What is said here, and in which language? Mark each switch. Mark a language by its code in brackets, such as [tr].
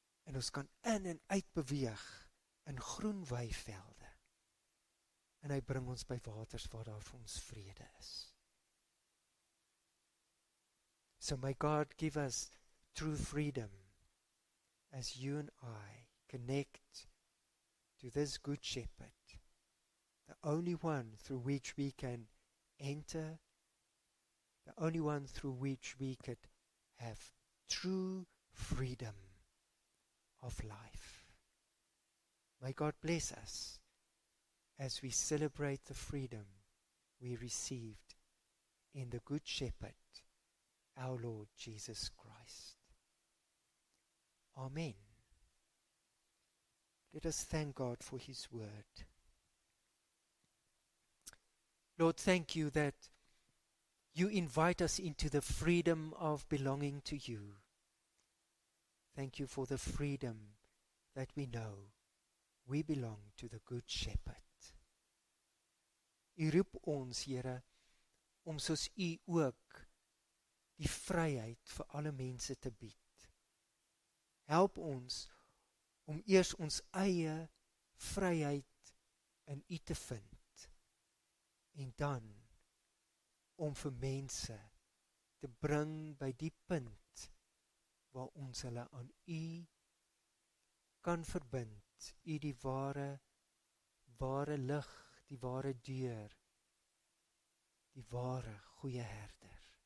[af] En ons kan in en uit beweeg in groen weivelde. en hy bring ons by waters waar daar vir ons vrede is. [en] So may God give us true freedom as you and I connect to this good shepherd, the only one through which we can enter, the only one through which we could have true freedom of life. May God bless us as we celebrate the freedom we received in the Good Shepherd, our Lord Jesus Christ. Amen. Let us thank God for His word. Lord, thank you that you invite us into the freedom of belonging to you. Thank you for the freedom that we know we belong to the Good Shepherd. [af] U roep ons, Here, om soos u ook die vryheid vir alle mense te bied. Help ons om eers ons eie vryheid in u te vind en dan om vir mense te bring by die punt waar ons hulle aan u kan verbind, u die ware lig, die ware deur, die ware goeie herder.